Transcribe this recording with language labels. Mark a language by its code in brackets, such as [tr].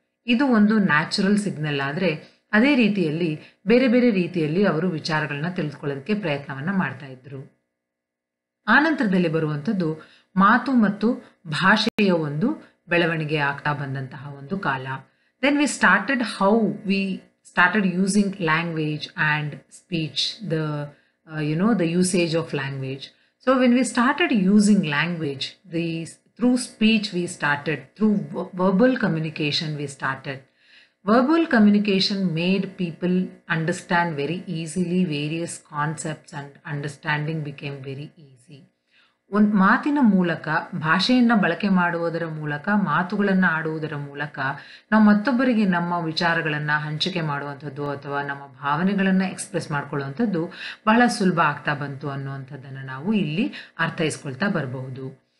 [kn] ಇದು ಒಂದು natural signal. ಆದರೆ ಅದೇ ರೀತಿಯಲ್ಲಿ ಬೇರೆ ಬೇರೆ ರೀತಿಯಲ್ಲಿ ಅವರು ವಿಚಾರಗಳನ್ನ ತಿಳಿದುಕೊಳ್ಳೋದಕ್ಕೆ ಪ್ರಯತ್ನವನ್ನು ಮಾಡ್ತಾ ಇದ್ರು. ಆನಂತರದಲ್ಲಿ ಬರುವಂಥದ್ದು ಮಾತು ಮತ್ತು ಭಾಷೆಯ ಒಂದು ಬೆಳವಣಿಗೆ ಆಗ್ತಾ ಬಂದಂತಹ ಒಂದು ಕಾಲ. [en] Then we started how we started using language and speech, the you know, the usage of language. So when we started using language, the through speech we started, through verbal communication we started. Verbal communication made people understand very easily various concepts and understanding became very easy. [kn] ಒಂದು ಮಾತಿನ ಮೂಲಕ, ಭಾಷೆಯನ್ನು ಬಳಕೆ ಮಾಡುವುದರ ಮೂಲಕ, ಮಾತುಗಳನ್ನು ಆಡುವುದರ ಮೂಲಕ ನಾವು ಮತ್ತೊಬ್ಬರಿಗೆ ನಮ್ಮ ವಿಚಾರಗಳನ್ನು ಹಂಚಿಕೆ ಮಾಡುವಂಥದ್ದು ಅಥವಾ ನಮ್ಮ ಭಾವನೆಗಳನ್ನು ಎಕ್ಸ್ಪ್ರೆಸ್ ಮಾಡ್ಕೊಳ್ಳುವಂಥದ್ದು ಬಹಳ ಸುಲಭ ಆಗ್ತಾ ಬಂತು ಅನ್ನುವಂಥದ್ದನ್ನು ನಾವು ಇಲ್ಲಿ ಅರ್ಥೈಸ್ಕೊಳ್ತಾ ಬರಬಹುದು.